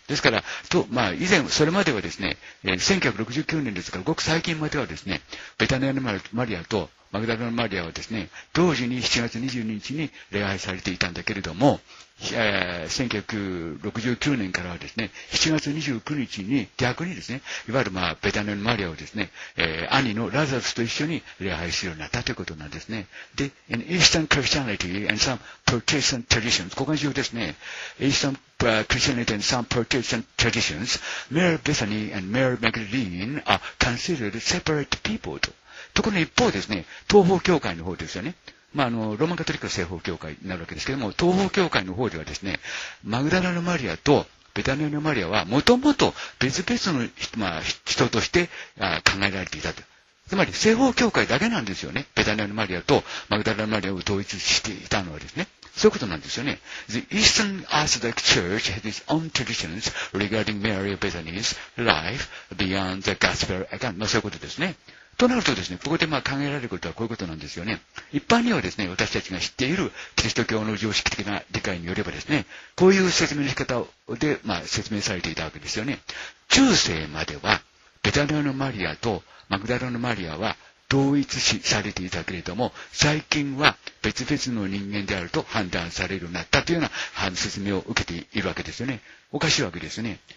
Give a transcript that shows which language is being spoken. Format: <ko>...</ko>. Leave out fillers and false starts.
<ja>ですから、と、まあ、以前、それまではですね、1969年ですから、ごく最近まではですね、ベタニアのマリアとマグダラのマリアはですね、同時に7月22日に礼拝されていたんだけれども、1969年からはですね、7月29日に逆にですね、いわゆる、まあ、ベタニアのマリアをですね、兄のラザルスと一緒に礼拝するようになったということなんですね。</ja> <en>で、in Eastern Christianity and some Protestant traditions,</en> <ja>ここが重要ですね。</ja> <en>Eastern Christianity and some Protestant traditions, Mary Bethany and Mary Magdalene are considered separate people と。</en> <ja>ところが一方ですね、東方教会の方ですよね。まあ、ローマンカトリックの西方教会になるわけですけども、東方教会の方ではですね、マグダラのマリアとベタニアのマリアは、もともと別々の人、まあ、人として考えられていたと。つまり、西方教会だけなんですよね。ベタニアのマリアとマグダラのマリアを統一していたのはですね。そういうことなんですよね。</ja> <en>The Eastern Orthodox Church has its own traditions regarding Mary of Bethany's life beyond the Gospel account.</en> <ja>まあ、そういうことですね。となるとですね、ここでまあ考えられることはこういうことなんですよね。一般にはですね、私たちが知っているキリスト教の常識的な理解によればですね、こういう説明の仕方でまあ説明されていたわけですよね。中世までは、ベタニアのマリアとマグダラのマリアは同一視されていたけれども、最近は別々の人間であると判断されるようになったというような説明を受けているわけですよね。おかしいわけですよね。</ja>